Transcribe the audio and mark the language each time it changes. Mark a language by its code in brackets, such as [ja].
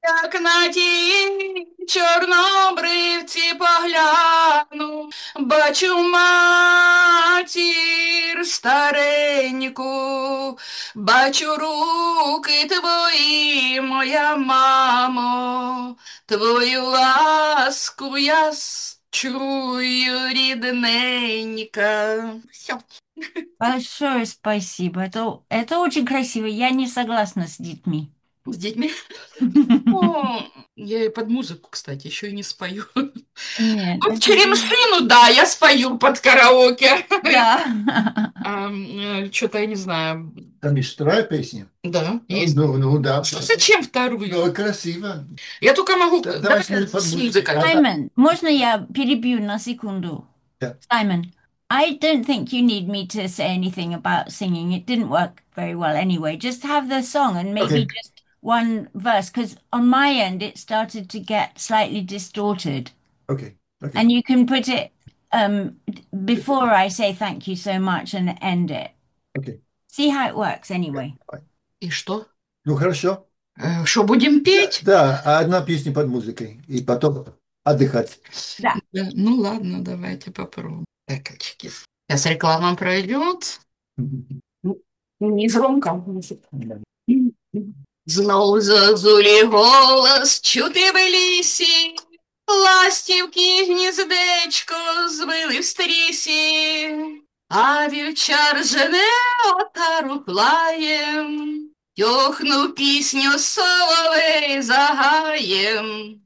[uk] як на тій чорнобривці погляну, бачу матір стареньку, бачу руки твої, моя мамо, твою ласку я чую, рідненька. [ru] Все. Большое спасибо. Это очень красиво. Я не согласна с детьми. С детьми. О, я и под музыку, кстати, еще и не спою. Нет, Вот это же... черемшину, да, я спою под караоке. Да. Что-то я не знаю. Там есть вторая песня. Да, Ну, есть. да. Что, зачем вторую? Ну, красиво. Я только могу... Давай Давай смотри под с музыку. музыкой. Саймон, можно я перебью на секунду? Да. [en] Саймон, I don't think you need me to say anything about singing. It didn't work very well anyway. Just have the song and maybe Okay. just one verse, because on my end it started to get slightly distorted. And you can put it before I say thank you so much and end it. See how it works anyway. [ru] И что? Ну хорошо. Что будем петь? Да, одна песня под музыкой и потом отдыхать. Да, ну ладно, давайте попробуем. Так, очки. Сейчас реклама пройдет. Не громко музыка. [uk] Знову зазулі голос, чути в лісі. Ластівки гніздечко звили в стрісі, а вівчар жене отару плаєм, тьохну пісню соловей загаєм.